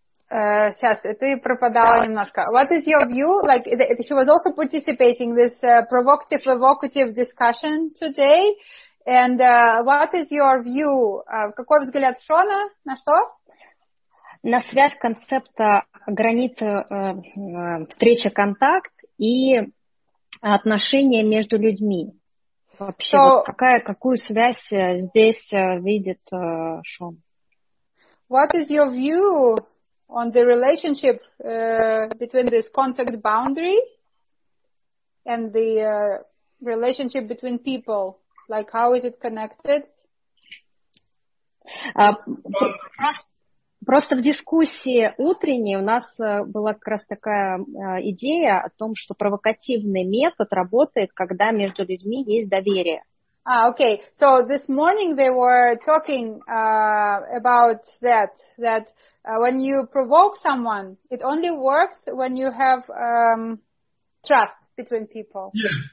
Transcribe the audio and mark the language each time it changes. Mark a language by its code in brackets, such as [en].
[ru] Сейчас, ты пропадала немножко. [en] What is your view? Like, she was also participating in this provocative, evocative discussion today. And what is your view? [ru] Какой взгляд Шона? На что? На связь концепта границы встречи, контакт и отношения между людьми. Вообще, so, вот какую связь здесь видит Шон? [en] What is your view on the relationship between this contact boundary and the relationship between people? Like, how is it connected? [ru] Просто в дискуссии утренней у нас была как раз такая идея о том, что провокативный метод работает, когда между людьми есть доверие. [en] Ah, okay. So this morning they were talking about that when you provoke someone, it only works when you have trust between people. Yeah.